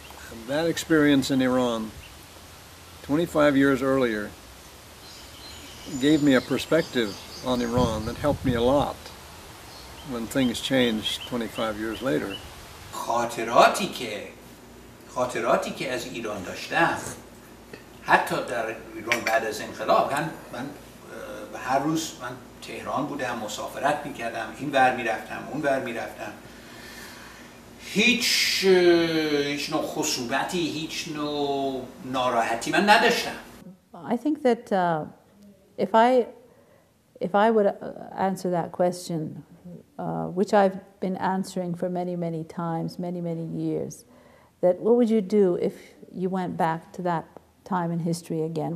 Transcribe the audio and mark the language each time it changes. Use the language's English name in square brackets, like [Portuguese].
[English] And that experience in Iran, 25 years earlier, gave me a perspective on Iran that helped me a lot when things changed 25 years later. [Persian] خاطراتی که از ایران داشتم حتی در ایران بعد از انقلاب من هر روز من تهران بودم مسافرت میکردم این ور میرفتم اون ور میرفتم هیچ نوع خصوبتی هیچ نوع ناراحتی من نداشتم. [English] I think that if I would answer that question, which I've been answering for many, many times, many, many years, that what would you do if you went back to that time in history again?